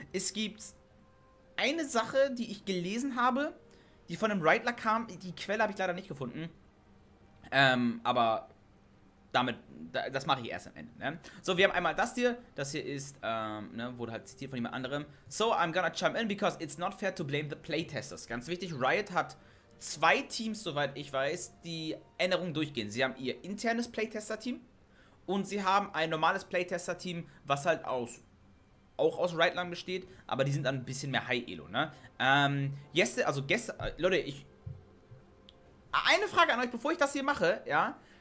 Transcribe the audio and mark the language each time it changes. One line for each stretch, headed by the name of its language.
German: Es gibt eine Sache, die ich gelesen habe, die von einem Riotler kam. Die Quelle habe ich leider nicht gefunden. Aber damit, das mache ich erst am Ende. Ne? So, wir haben einmal das hier. Das hier ist, ne, wurde halt zitiert von jemand anderem.
English: So, I'm gonna chime in because it's not fair to blame the playtesters.
German: Ganz wichtig, Riot hat zwei Teams, soweit ich weiß, die Änderungen durchgehen. Sie haben ihr internes Playtester-Team und sie haben ein normales Playtester-Team, was halt auch aus Riotland besteht, aber die sind dann ein bisschen mehr High-Elo, ne? Eine Frage an euch, bevor ich das hier mache, ja?